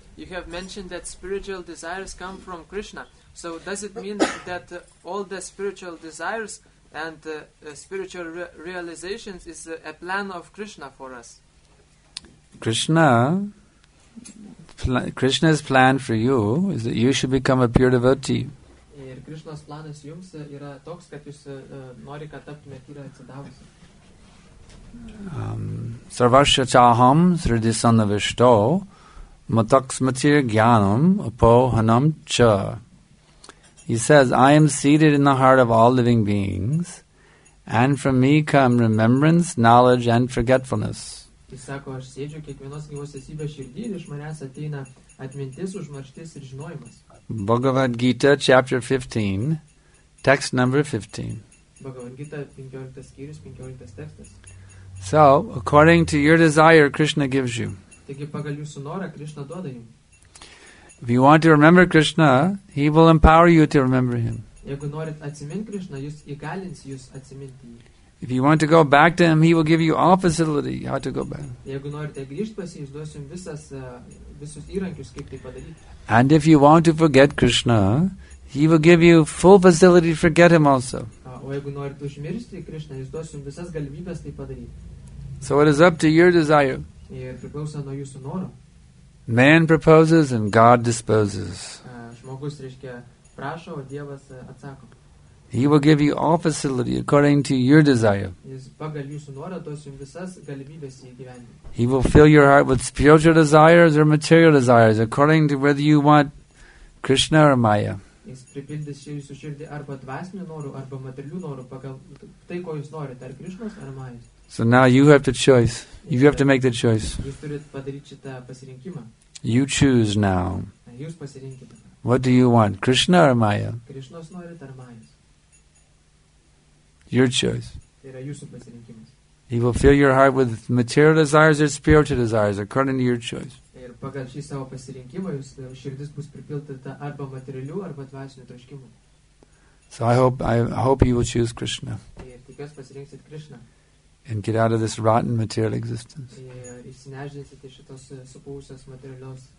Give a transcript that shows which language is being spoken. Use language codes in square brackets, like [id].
[en] have mentioned that spiritual desires come from Krishna. So does it mean that all the spiritual desires and spiritual realizations is a plan of Krishna for us? Krishna's plan for you is that you should become a pure devotee. [lt] Ir Krishnos planas jums yra toks, kad jūs nori, kad taptumėt ir atsidavusi. [sa] Sarvasya chaham sridhi sannavishto mataksmatir gyanam apohanam cha. [en] He says, I am seated in the heart of all living beings, and from me come remembrance, knowledge, and forgetfulness. [lt] He sako, aš sėdžiu kiekvienos gyvos esybės širdy, ir iš manęs ateina atmintis, užmarštis ir žinojimas. [en] Bhagavad Gita, chapter 15, text number 15. [lt] Bhagavad Gita, 15 skyrius, 15 tekstas. [en] So, according to your desire, Krishna gives you. [lt] Taigi, pagal jūsų norą, Krishna duoda jums. [en] If you want to remember Krishna, he will empower you to remember him. [lt] Jeigu norit atsimint Krishna, jūs įgalins jūs atsiminti. [en] If you want to go back to him, he will give you all facility how to go back. [lt] Jeigu norite grįžti pas jį, jis duos jums visas, visus įrankius, kaip tai padaryti. [en] And if you want to forget Krishna, he will give you full facility to forget him also. [lt] O jeigu norite užmiršti Krishna, jis duos jums visas galimybės tai padaryti. [en] So it is up to your desire. [lt] Ir priklauso nuo jūsų noro. [en] Man proposes and God disposes. [lt] Žmogus, reiškia, prašo, o Dievas atsako. [en] He will give you all facility according to your desire. [lt] Jis pagal jūsų norą duos jums visas galimybės įgyvendinti. [en] He will fill your heart with spiritual desires or material desires according to whether you want Krishna or Maya. [lt] Jis pripildys jūsų širdį arba dvasinių norų arba materialių norų pagal tai, ko jūs norite, ar Krishnos ar Majos. [en] So now you have the choice. You have to make the choice. [lt] Jūs turit padaryti šitą pasirinkimą. [en] You choose now. [lt] Jūs pasirinkite. [en] What do you want, Krishna or Maya? [lt] Krishnos norit ar Majos. [en] Your choice. [lt] Tai yra jūsų pasirinkimas. [en] He will fill your heart with material desires or spiritual desires according to your choice. [lt] Ir pagal šį savo pasirinkimą jūs širdis bus pripildyta arba materialių arba dvasinių troškimų. [en] So I hope you will choose Krishna. [lt] Ir tikiuosi pasirinksit Krishna. [en] And get out of this rotten material existence. [lt] Ir išsinešdinsit iš šitos supuvusios materialios